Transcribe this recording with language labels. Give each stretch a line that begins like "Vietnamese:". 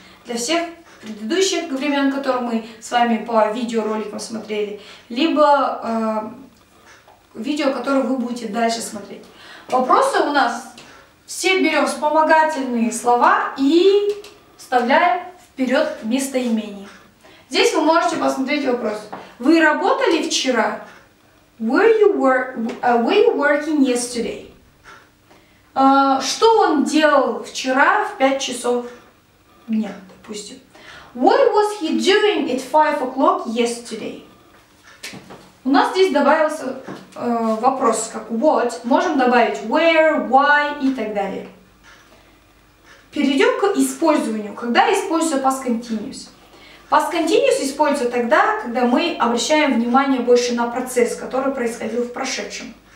Russian: Для всех предыдущих времен, которые мы с вами по видеороликам смотрели, либо видео, которое вы будете дальше смотреть. Вопросы у нас все берем вспомогательные слова и вставляем вперед местоимение. Здесь вы можете посмотреть вопрос. Вы работали вчера?
English: Were you working yesterday?
Russian: Что он делал вчера в 5 часов дня, допустим?
English: What was he doing at 5 o'clock yesterday?
Russian: У нас здесь добавился вопрос, как what. Можем добавить where, why и так далее. Перейдем к использованию. Когда используется past continuous? Past continuous используется тогда, когда мы обращаем внимание больше на процесс, который происходил в прошедшем.